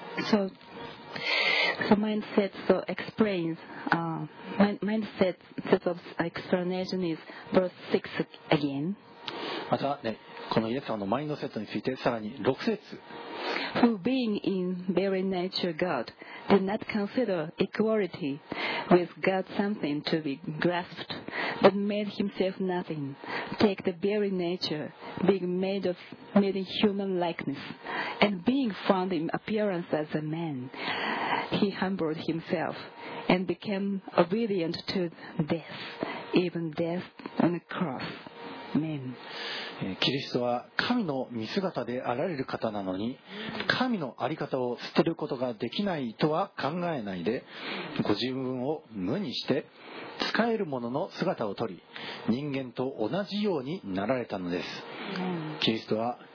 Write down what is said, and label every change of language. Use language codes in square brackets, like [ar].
[en] So mindset so explains mindset set of explanation is verse 6 again. [ja] また、ね、このイエス様のマインドセットについてさらに6節。 [en] Who being in very nature God did not consider equality with God something to be grasped, but made himself nothing, take the very nature, being made in human likeness, and being found in appearance as a man, he humbled himself and became obedient to death, even death on a cross. [ja] キリストは神の見姿であられる方なのに、神のあり方を捨てることができないとは考えないで、ご自分を無にして使えるものの姿を取り、人間と同じようになられたのです。キリストは